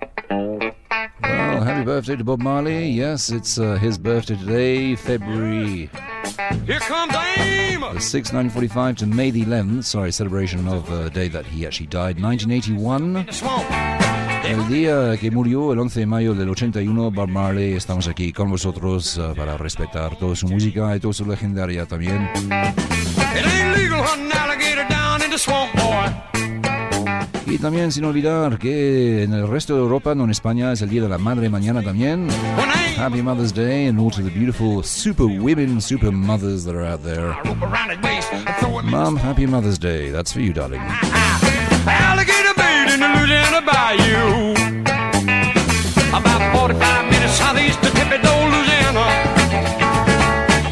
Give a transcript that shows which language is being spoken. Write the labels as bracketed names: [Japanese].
[English] Well, happy birthday to Bob Marley. Yes, it's his birthday today, February. Here comes the aim! The 6th, 1945 to May the 11th, sorry, celebration of the day that he actually died, 1981. [Spanish] El día que murió, el 11 de mayo del 81, Bob Marley, estamos aquí con vosotros para respetar toda su música y toda su legendaria también. [English] It ain't legal hunting alligator down in the swamp, boy. [Spanish] Y también sin olvidar que en el resto de Europa, no en España, es el Día de la Madre mañana también. [English] Happy Mother's Day and all to the beautiful super women, super mothers that are out there. Mom, happy Mother's Day. That's for you, darling. Alligator bait in the Louisiana Bayou. About 45 minutes southeast of Tippido, Louisiana.